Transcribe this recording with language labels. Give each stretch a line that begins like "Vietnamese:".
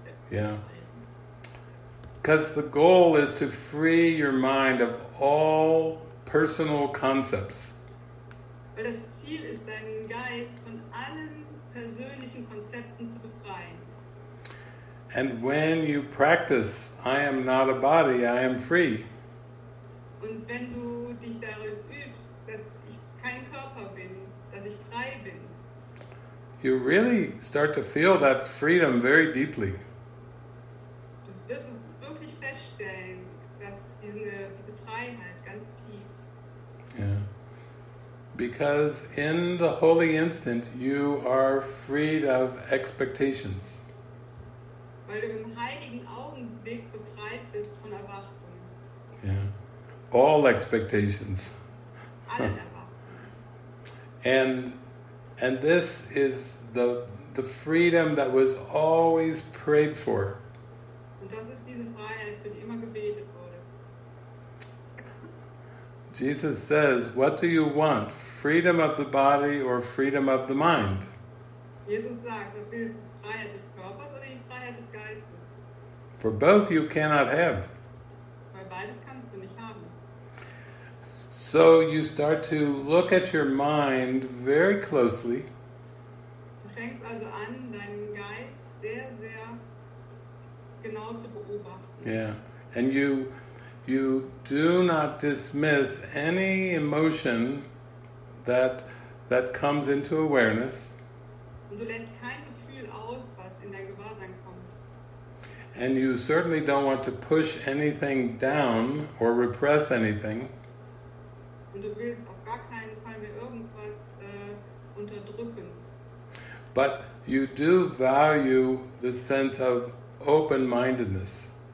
English: Yeah. Because the goal is to free your mind of all personal concepts.
German: Weil das Ziel ist, deinen Geist von allen persönlichen limitation Konzepten zu befreien.
English: And when you practice, I am not a body, I am free.
German: Und wenn du dich darin übst, dass ich kein Körper bin, dass ich frei bin.
English: You really start to feel that freedom very deeply.
German: Du wirst es wirklich feststellen, dass diese Freiheit ganz tief. Yeah.
English: Because in the holy instant, you are freed of expectations.
German: Weil du im heiligen Augenblick befreit bist von Erwartungen.
English: Yeah. All expectations. And this is the freedom that was always prayed for.
German: Und das ist diese Freiheit, für die immer gebetet wurde.
English: Jesus says, what do you want? Freedom of the body or freedom of the mind?
German: Jesus sagt, was willst du, Freiheit des Körpers oder die Freiheit des Geistes?
English: For both you cannot have.
German: Weil beides kannst du nicht haben.
English: So you start to look at your mind very closely.
German: Du fängst also an, deinen Geist sehr, sehr genau zu beobachten.
English: Yeah, and you do not dismiss any emotion that comes into awareness.
German: Und du lässt kein Gefühl aus, was in dein Gewahrsein kommt.
English: And you certainly don't want to push anything down or repress anything.
German: Und du willst auf gar keinen Fall mehr irgendwas unterdrücken.
English: But you do value the sense of open-mindedness.